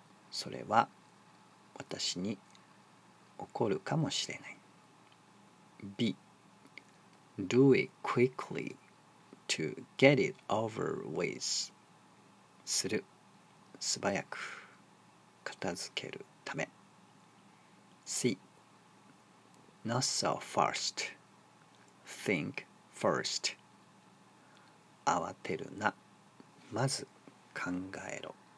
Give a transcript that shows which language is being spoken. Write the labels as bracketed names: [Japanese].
[Japanese] それは私に起こるかもしれない。 B. [English] Do it quickly to get it over with. [Japanese] する、素早く、片付けるため。 [English] C. Not so fast. Think first. [Japanese] 慌てるな。まず考えろ。